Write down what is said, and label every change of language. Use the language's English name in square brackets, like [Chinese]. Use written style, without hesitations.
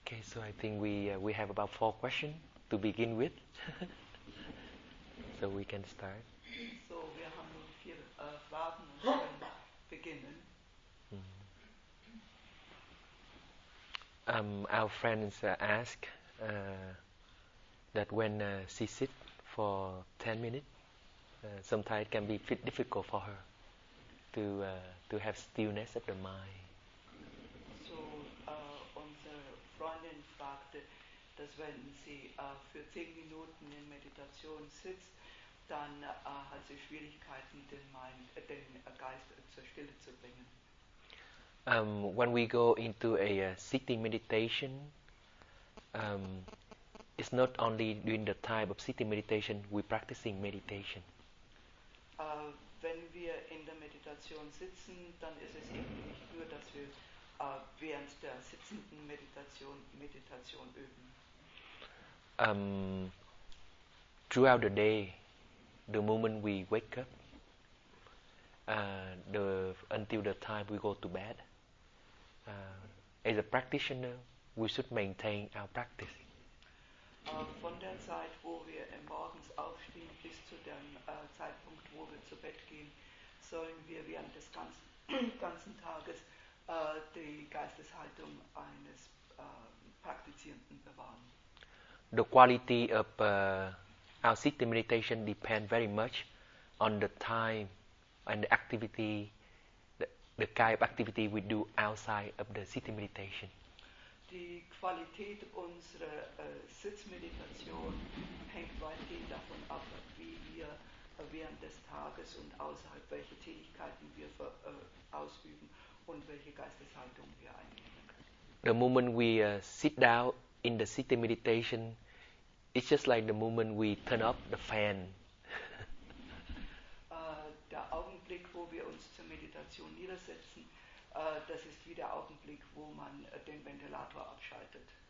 [English] Okay, so I think we have about 4 questions to begin with. So we can start. [German] So wir haben nur 4 Fragen und können beginnen. Mm-hmm. [English] Our friends ask that when she sits for 10 minutes, sometimes it can be difficult for her to have stillness of the mind. [German] So unsere Freundin fragte, dass wenn sie für 10 Minuten in Meditation sitzt, dann hat sie Schwierigkeiten, den Geist zur Stille zu bringen. [English] When we go into a sitting meditation, it's not only during the time of sitting meditation, we're practicing meditation. [German] Wenn wir in der Meditation sitzen, dann ist es eben nicht nur, dass wir während der sitzenden Meditation üben. [English] Throughout the day, the moment we wake up, until the time we go to bed, as a practitioner, we should maintain our practice. [German] Von der Zeit, wo wir morgens aufstehen, bis zu dem Zeitpunkt, wo wir zu Bett gehen, sollen wir während des ganzen Tages die Geisteshaltung eines Praktizierenden bewahren. [English] The quality of our sitting meditation depends very much on the time and the activity, the kind of activity we do outside of the sitting meditation. [German] Die Qualität unserer Sitzmeditation hängt weitgehend davon ab, wie wir während des Tages und außerhalb, welche Tätigkeiten wir ausüben und welche Geisteshaltung wir einnehmen. [English] The moment we sit down in the sitting meditation, it's just like the moment we turn up the fan. [German] Der Augenblick, wo wir uns zur Meditation niedersetzen, das ist wie der Augenblick, wo man den Ventilator abschaltet.